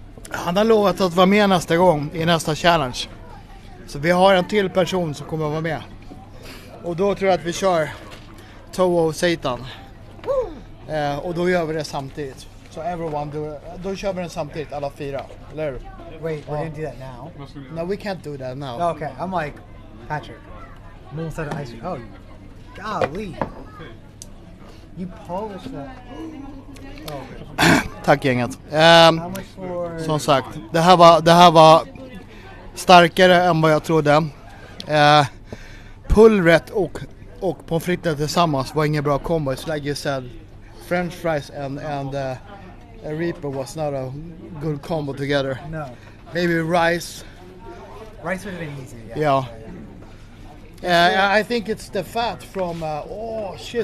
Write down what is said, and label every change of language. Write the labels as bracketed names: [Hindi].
[Swedish] Han har lovat att vara med nästa gång i nästa challenge. Så vi har en till person som kommer att vara med. Och då tror jag att vi kör Toe of Satan. Och då gör vi det samtidigt. Så everyone, då kör vi den samtidigt, alla fyra. Eller? [English] Wait, we didn't do that now. No, we can't do that now. Okay, I'm like, Patrick. Moon set of ice cream. Oh, golly. You polish that. [Swedish] Tack gänget. Som sagt, det här var starkare än vad jag trodde. Pulvret och pommes frites tillsammans var ingen bra combo. [English] It's like you said, french fries and a reaper was not a good combo together. No. Maybe rice. Rice would have been easier. Yeah. I think it's the fat from the oil.